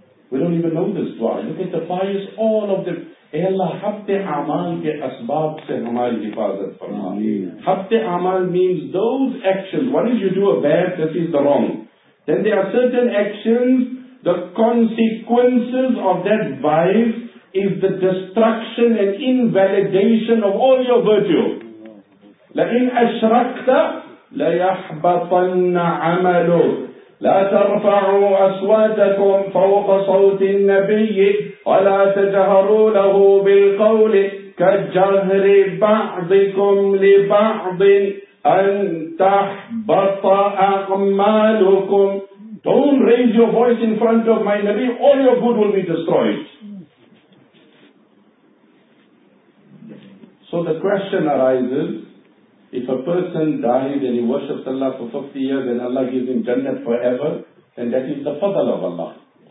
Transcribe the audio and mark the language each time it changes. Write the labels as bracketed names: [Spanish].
[English] We don't even know this dua. Look at the pious, all of them. [Urdu] Ey Allah, habte amal ke asbab se humari hifazat farma. [English] Habte amal means those actions. What if you do a bad, this is the wrong. Then there are certain actions, the consequences of that vice is the destruction and invalidation of all your virtue. [Arabic] لَإِنْ أَشْرَكْتَ لَيَحْبَطَنَّ عَمَلُ لا ترفعوا أصواتكم فوق صوت النبي ولا تجهروا له بالقول كجهر بعضكم لبعض أن تحبط أعمالكم. [English] Don't raise your voice in front of my Nabi, all your good will be destroyed. So the question arises, if a person dies and he worships Allah for 50 years and Allah gives him Jannah forever, then that is the fadl of Allah.